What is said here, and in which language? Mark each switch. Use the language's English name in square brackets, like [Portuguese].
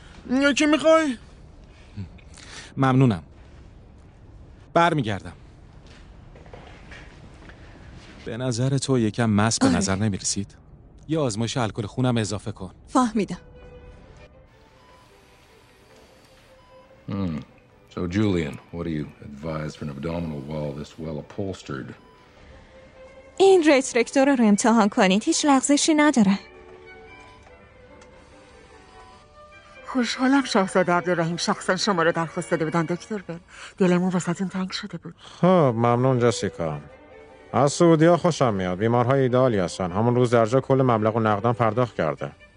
[Persian] یکی میخوای؟ ممنونم، برمیگردم. به نظر تو یکم مست به نظر نمیرسید؟ یه آزمایش الکل خونم اضافه کن. فهمیدم. [English] So Julian, what do you advise for an abdominal wall this well upholstered? [Persian] این رسترکتور رو امتحان کنید، هیچ لغزشی نداره. خوشحالم شاهزاده عبدالرحیم شخصا شما رو درخواست داده بودن دکتر بل. دلمون واسه تون تنگ شده بود. خب ممنون جسیکا. از سعودی ها خوشم میاد، بیمارهای ایدالی هستن. همون روز درجا کل مبلغ و نقدم پرداخت کرده.